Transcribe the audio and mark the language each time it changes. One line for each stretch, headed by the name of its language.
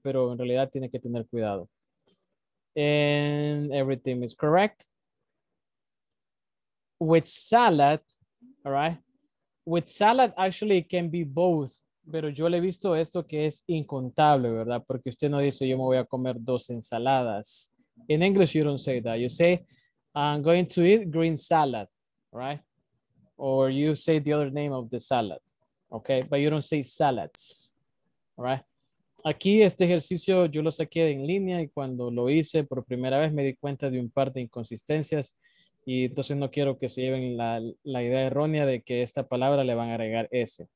Spanish: Pero en realidad tiene que tener cuidado.
English: And everything is correct. With salad, all right? With salad, actually, it can be both.
Spanish: Pero yo le he visto esto que es incontable, ¿verdad? Porque usted no dice, yo me voy a comer dos ensaladas.
English: In English, you don't say that. You say, I'm going to eat green salad, right? or you say the other name of the salad, okay? But you don't say salads, all right?
Spanish: Aquí este ejercicio yo lo saqué en línea y cuando lo hice por primera vez me di cuenta de un par de inconsistencias y entonces no quiero que se lleven la idea errónea de que esta palabra le van a agregar S.